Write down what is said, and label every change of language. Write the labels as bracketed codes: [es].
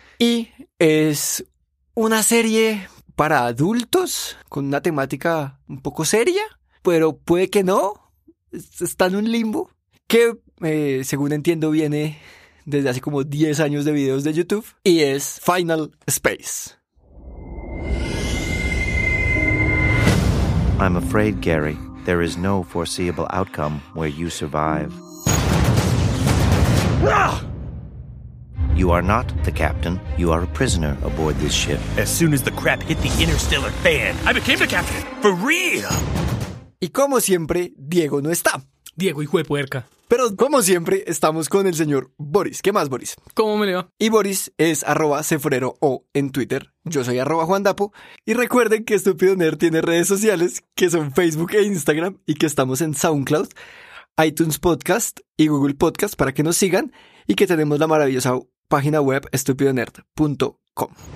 [es] Y es una serie para adultos, con una temática un poco seria, pero puede que no, está en un limbo, que según entiendo viene desde hace como 10 años de videos de YouTube, y es Final Space. [en] I'm afraid, Gary, there is no foreseeable outcome where you survive. You are not the captain. You are a prisoner aboard this ship. As soon as the crap hit the interstellar fan, I became the captain. For real. [es] Y como siempre, Diego no está. Diego, hijo de puerca. Pero como siempre, estamos con el señor Boris. ¿Qué más, Boris? ¿Cómo me le va? Y Boris es @cefrero o en Twitter. Yo soy @juandapo. Y recuerden que Estúpido Nerd tiene redes sociales, que son Facebook e Instagram, y que estamos en SoundCloud, iTunes Podcast y Google Podcast para que nos sigan, y que tenemos la maravillosa página web estupidonerd.com.